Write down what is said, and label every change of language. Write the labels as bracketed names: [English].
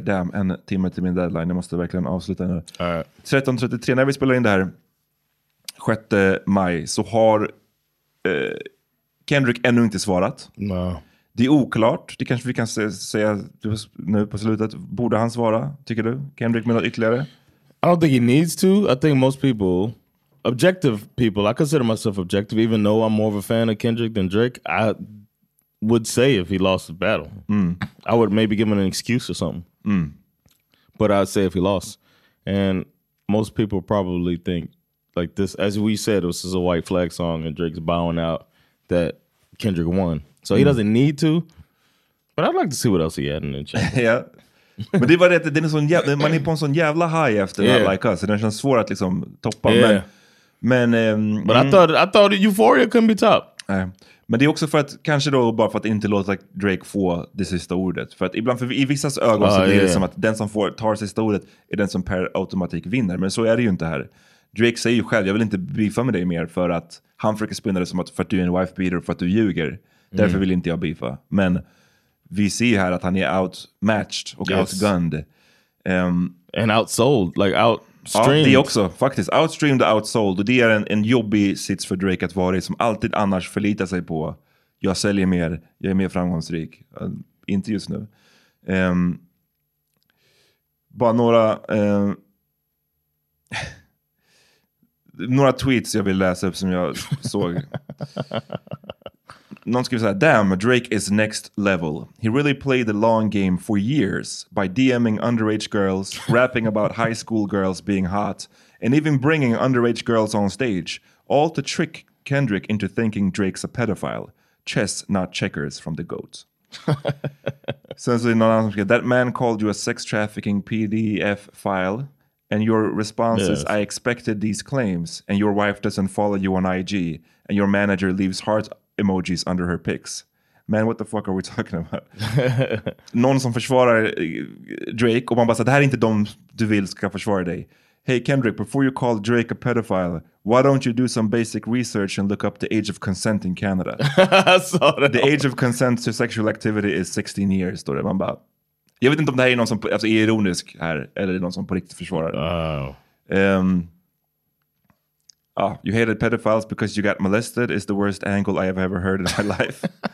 [Swedish] Damn, en timme till min deadline. Jag måste verkligen avsluta nu. 13.33, när vi spelar in det här 6 maj så har Kendrick ännu inte svarat. [English] No. [Swedish] Det är oklart. Det kanske vi kan säga nu på slutet. Borde han svara, tycker du? Kendrick med något ytterligare? [English] I don't think he needs to. I think most people, objective people, I consider myself objective, even though I'm more of a fan of Kendrick than Drake, I would say if he lost the battle. Mm. I would maybe give him an excuse or something. Mm. But I'd say if he lost. And most people probably think, like this, as we said, this is a white flag song and Drake's bowing out, that Kendrick won. So he doesn't need to. But I'd like to see what else he had in the chamber. Yeah. [Swedish] Men det var det, det är sån jävla, man är på en sån jävla high efter yeah. Like Us, så det känns svårt att liksom toppa yeah. Men [English] I thought Euphoria couldn't be top. [Swedish] Men det är också för att kanske då bara för att inte låta Drake få det sista ordet, för att ibland för i vissas ögon så blir det som att den som tar sista ordet är den som per automatik vinner, men så är det ju inte här. Drake säger ju själv, jag vill inte beefa med dig mer för att han försöker spinna det som att för att du är en wife beater, för att du ljuger. Därför vill inte jag beefa. Men vi ser ju här att han är outmatched och outgunned. [English] And outsold, like outstreamed. [Swedish] Ja, det också, faktiskt. Outstreamed och outsold. Och det är en jobbig sits för Drake att vara i, som alltid annars förlitar sig på. Jag säljer mer, jag är mer framgångsrik. Inte just nu. Bara några... några tweets jag vill läsa upp som jag såg. Någon skrev såhär: [English] damn, Drake is next level. He really played the long game for years by DMing underage girls, rapping about high school girls being hot, and even bringing underage girls on stage, all to trick Kendrick into thinking Drake's a pedophile. Chess, not checkers, from the GOAT. That man called you a sex trafficking PDF file, and your response is, I expected these claims, and your wife doesn't follow you on IG, and your manager leaves heart emojis under her pics. Man, what the fuck are we talking about? [Swedish] Någon som försvarar Drake, och man bara sa, det här är inte de du vill ska försvara dig. [English] Hey Kendrick, before you call Drake a pedophile, why don't you do some basic research and look up the age of consent in Canada? The age of consent to sexual activity is 16 years, [Swedish] står det. Man bara, jag vet inte om det här är någon som alltså, är ironisk här, eller någon som på riktigt försvarar. [English] Oh, you hated pedophiles because you got molested is the worst angle I have ever heard in my life.